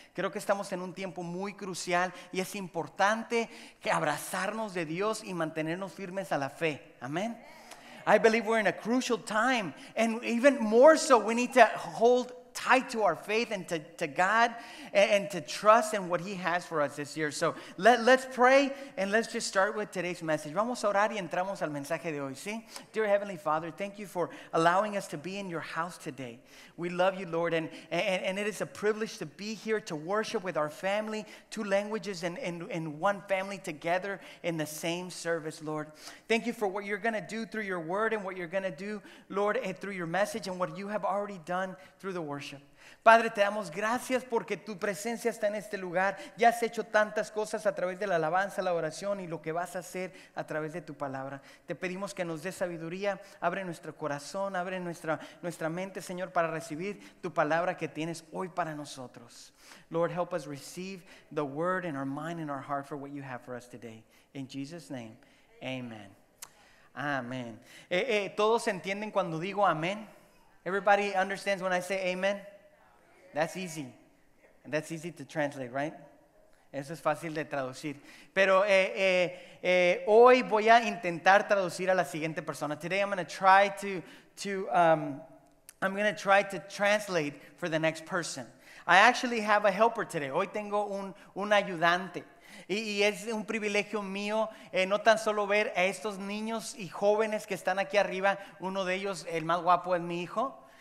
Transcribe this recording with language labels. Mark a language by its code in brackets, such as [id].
[es] Creo que estamos en un tiempo muy crucial y es importante que abrazarnos de Dios y mantenernos firmes a la fe. Amén. [en] I believe we're in a crucial time, and even more so, we need to hold tied to our faith and to God and to trust in what he has for us this year. So let's pray and let's just start with today's message. [es] Vamos a orar y entramos al mensaje de hoy, ¿sí? [en] Dear Heavenly Father, thank you for allowing us to be in your house today. We love you, Lord, and it is a privilege to be here to worship with our family, two languages and one family together in the same service, Lord. Thank you for what you're going to do through your word and what you're going to do, Lord, and through your message and what you have already done through the word. Worship. [es] Padre, te damos gracias porque tu presencia está en este lugar. Ya has hecho tantas cosas a través de la alabanza, la oración y lo que vas a hacer a través de tu palabra. Te pedimos que nos des sabiduría, abre nuestro corazón, abre nuestra mente, Señor, para recibir tu palabra que tienes hoy para nosotros. [en] Lord, help us receive the word in our mind and our heart for what you have for us today. In Jesus' name, amen. Amen. [es] ¿Todos entienden cuando digo amén? [en] Everybody understands when I say amen? That's easy. That's easy to translate, right? [es] Eso es fácil de traducir. Pero hoy voy a intentar traducir a la siguiente persona. [en] Today I'm going to try to translate for the next person. I actually have a helper today. [es] Hoy tengo un ayudante. Y es un privilegio mío no tan solo ver a estos niños y jóvenes que están aquí arriba. Uno de ellos, el más guapo, es mi hijo.